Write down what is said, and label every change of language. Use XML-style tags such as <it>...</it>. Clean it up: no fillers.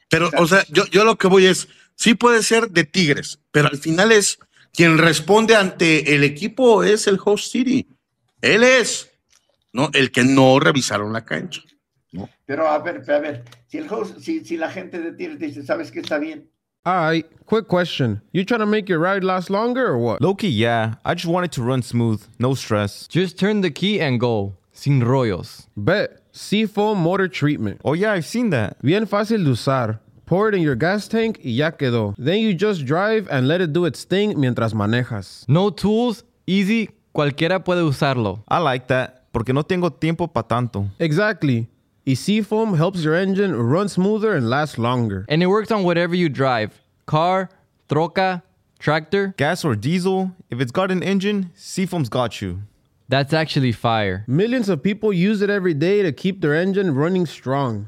<es>Pero, o sea yo lo que voy es, sí puede ser de Tigres, pero al final es quien responde ante el equipo es el Host City. Él es, ¿no? El que no revisaron la cancha, ¿no? Pero a ver, si la gente de Tigres dice, ¿sabes qué? Está bien.</es> <en>Alright, quick question. You trying to make your ride last longer or what? Low-key, yeah. I just want it to run smooth. No stress. Just turn the key and go.</en> <es>Sin rollos.</es> <en>Bet. Seafoam motor treatment. Oh yeah, I've seen that.</en> <es>Bien fácil de usar.</es> <en>Pour it in your gas tank</en> <es>y ya quedó.</es> <en>Then you just drive and let it do its thing</en> <es>mientras manejas.</es> <en>No tools. Easy.</en> <es>Cualquiera puede usarlo.</es> <en>I like that.</en> <es>Porque no tengo tiempo pa tanto.</es> <en>Exactly. Y Seafoam helps your engine run smoother and last longer. And it works on whatever you drive. Car, troca, tractor. Gas or diesel. If it's got an engine, Seafoam's got you. That's actually fire. Millions of people use it every day to keep their engine running strong.</en>